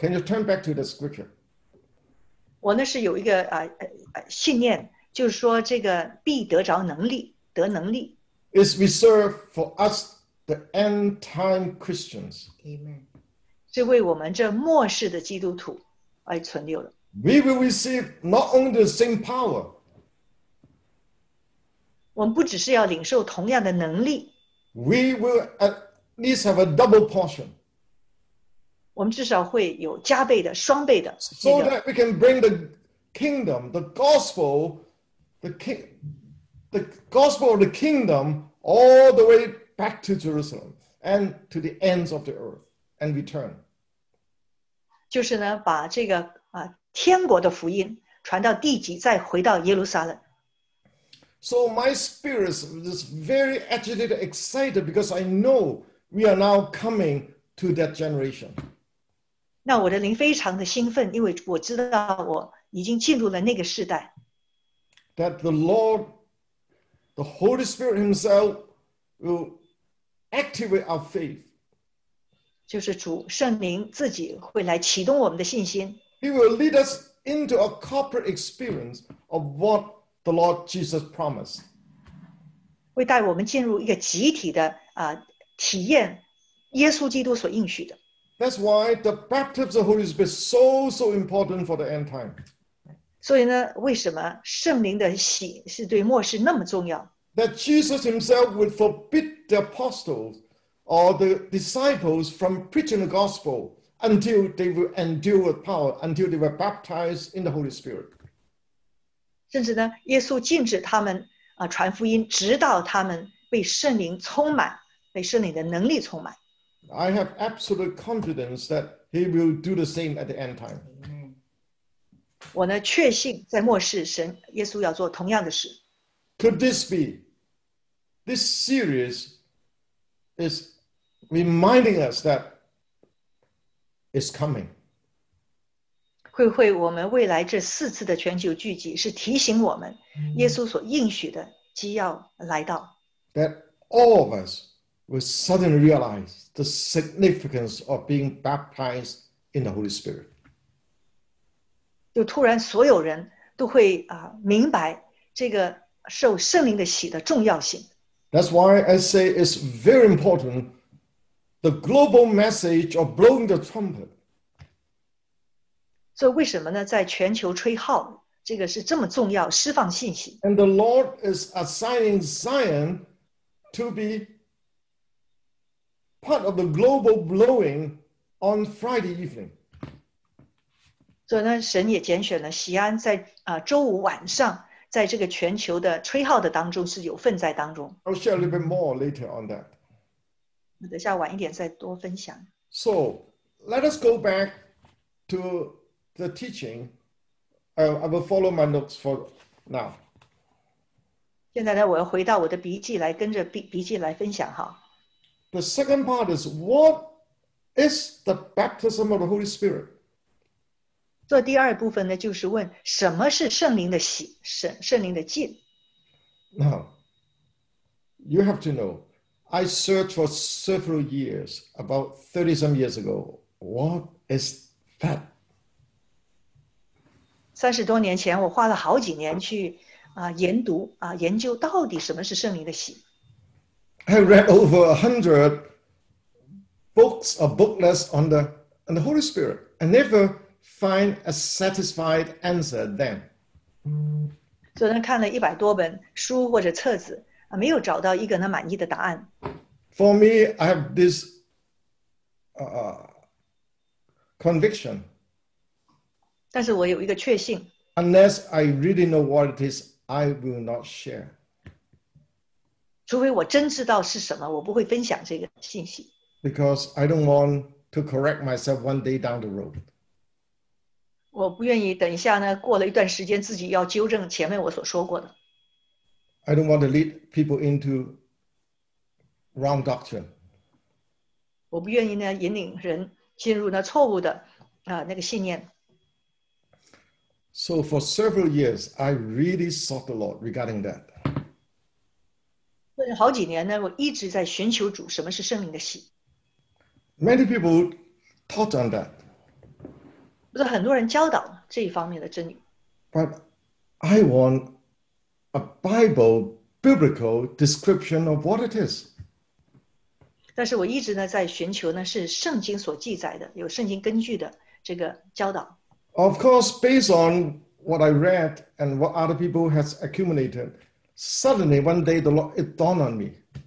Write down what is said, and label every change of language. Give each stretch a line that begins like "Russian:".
English: Can you turn back to the scripture?
Chinese: 我呢是有一个信念，就是说这个必得着能力，得能力。
English: Is reserved for us. The end time Christians. Amen.
Chinese: 是为我们这末世的基督徒而存留的。
English: We will receive not only the same power.
Chinese: 我们不只是要领受同样的能力。
English: We will at least have a double portion.
Chinese: 我们至少会有加倍的、双倍的。
English: So that we can bring the kingdom, the gospel, the gospel of the kingdom all the way. Back to Jerusalem and to the ends of the earth and return.
Chinese: 就是呢，把这个天国的福音传到地极，再回到耶路撒冷。
English: So my spirit is very agitated, excited because I know we are now coming to that generation.
Chinese: 那我的灵非常的兴奋，因为我知道我已经进入了那个世代。
English: That the Lord, the Holy Spirit Himself will. Activate our faith.
Chinese: 就是主圣灵自己会来启动我们的信心。
English: He will lead us into a corporate experience of what the Lord Jesus promised.
Chinese: 会带我们进入一个集体的体验耶稣基督所应许的。
English: That's why the baptism of the Holy Spirit is so, so important for the end time.
Chinese: 所以呢，为什么圣灵的洗是对末世那么重要？
English: That Jesus himself would forbid the apostles or the disciples from preaching the gospel until they were endued with power, until they were baptized in the Holy Spirit.
Chinese: 甚至呢，耶稣禁止他们传福音，直到他们被圣灵充满，被圣灵的能力充满。
English: I have absolute confidence that he will do the same at the end time.
Chinese: 我呢，确信在末世神耶稣要做同样的事。
English: Could this be? This series is reminding us that it's coming.
Chinese: 会不会我们未来这四次的全球聚集是提醒我们耶稣所应许的即要来到
English: That all of us will suddenly realize the significance of being baptized in the Holy Spirit.
Chinese: 就突然所有人都会明白这个受圣灵的洗的重要性。
English: That's why I say it's very important the global message of blowing the trumpet.
Chinese: 所以为什么呢？在全球吹号，这个是这么重要，释放信息。
English: And the Lord is assigning Zion to be part of the global blowing on Friday evening.
Chinese: 所以呢，神也拣选了锡安在周五晚上。在这个全球的吹号的当中是有份在当中。
English: I'll share a little bit more later on that.
Chinese: 等下晚一点再多分享。
English: So, let us go back to the teaching. I will follow my notes for now.
Chinese: 现在呢，我要回到我的笔记来跟着笔记来分享哈。
English: The second part is, what is the baptism of the Holy Spirit?
Chinese: 做第二部分呢，就是问什么是圣灵的洗，圣灵的浸。
English: Now, you have to know, I searched for several years, about 30 some years ago. What is that?
Chinese: 30多年前, 我花了好几年 去, 研读, 研究, 到底什么是圣灵的喜?
English: I read over 100 books or booklets on the Holy Spirit and never find a satisfied answer then.
Chinese: 所以呢,看了100多本书或者册子, 没有找到一个呢满意的答案。
English: For me, I have this conviction.
Chinese: 但是我有一个确信,
English: unless I really know what it is, I will not share.
Chinese: 除非我真知道是什么, 我不会分享这个信息。
English: Because I don't want to correct myself one day down the road.
Chinese: 我不愿意等一下呢, 过了一段时间, 自己要纠正前面我所说过的。
English: I don't want to lead people into wrong doctrine.
Chinese: 我不愿意呢, 引领人进入呢错误的, 那个信念。
English: So for several years, I really sought the Lord regarding that.
Chinese: 好几年呢, 我一直在寻求主, 什么是圣灵的喜。
English: Many people taught on that.
Chinese: 不是很多人教导这一方面的真理。
English: But I want a Bible, biblical description of what it is.
Chinese: 但是我一直呢, 在寻求呢, 是圣经所记载的, 有圣经根据的这个教导。
English: Of course, based on what I read and what other people has accumulated, suddenly one day the Lord, it dawned on me.